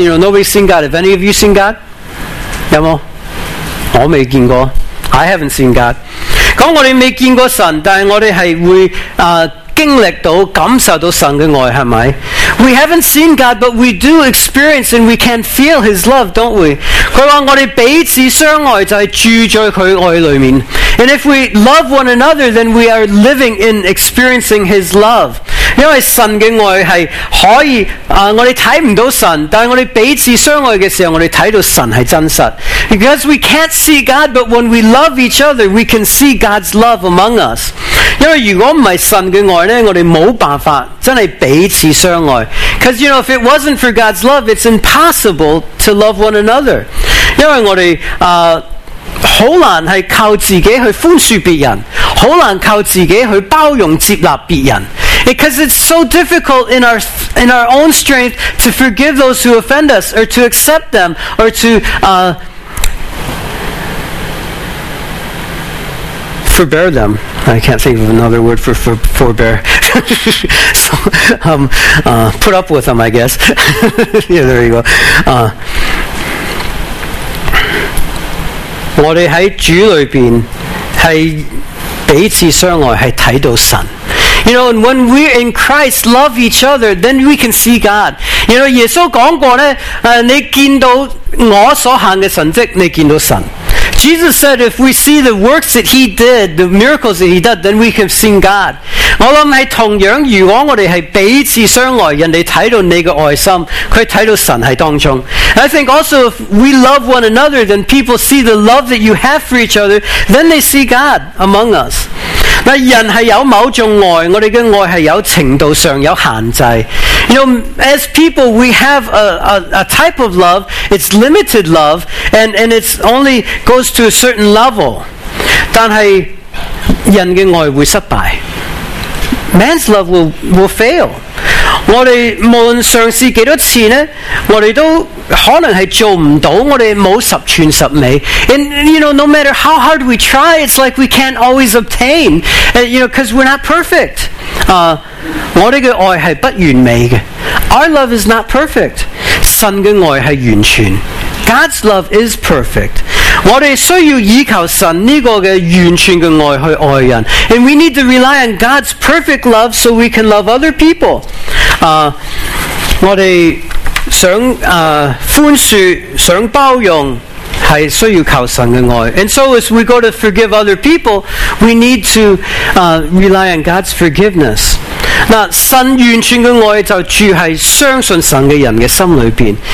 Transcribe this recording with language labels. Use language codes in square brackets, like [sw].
[en] You know, nobody's seen God. Have any of you seen God? [zh] 有没有？我没见过。 [en] I haven't seen God. [zh] 讲我们没见过神，但我们是会经历到、感受到神的爱，是吗？ [en] We haven't seen God, but we do experience and we can feel His love, don't we? [zh] 他说我们彼此相爱就是住在祂爱里面。 [en] And if we love one another, then we are living in experiencing His love. [zh] 因为神的爱是可以、我们看不到神，但我们彼此相爱的时候，我们看到神是真实。 [en] Because we can't see God, but when we love each other, we can see God's love among us. [zh] 因为如果不是神的爱呢，我们没办法真的彼此相爱。 [en] Because, you know, if it wasn't for God's love, it's impossible to love one another. [zh] 因为我们、很难是靠自己去宽恕别人，很难靠自己去包容接纳别人。 [en] Because it's so difficult in our own strength to forgive those who offend us, or to accept them, or to、forbear them. I can't think of another word for forbear. So, put up with them, I guess. Yeah, there you go. [zh] 我们在主里边是彼此相爱，是看到神。 [en] You know, and when we in Christ love each other, then we can see God. You know, [zh] 耶稣讲过呢，你见到我所行的神迹，你见到神。 [en] Jesus said, if we see the works that He did, the miracles that He did, then we have seen God. [zh] 我想是同样，如果我们是彼此相爱，人家看到你的爱心，他看到神在当中。 [en] And I think also, if we love one another, then people see the love that you have for each other, then they see God among us. [zh] 那人是有某种爱，我们的爱是有程度上有限制。 [en] You know, as people, we have a type of love. It's limited love, and it only goes to a certain level. [zh] 但是人的爱会失败。 [en] Man's love will fail. [zh] 我们无论尝试几多次呢，我们都可能是做不到，我们没十全十美。 [en] And you know, no matter how hard we try, it's like we can't always obtain. And, you know, because we're not perfect. [zh] 我们的爱是不完美的。 [en] Our love is not perfect. [zh] 神的爱是完全。 [en] God's love is perfect. [zh] 我们需要依靠神这个的完全的爱去爱人。 [en] And we need to rely on God's perfect love so we can love other people. [zh] 我们想宽恕，想包容，是需要靠神的爱。 [en] And so as we go to forgive other people, we need to rely on God's forgiveness. [zh] 那神完全的爱就住在相信神的人的心里面。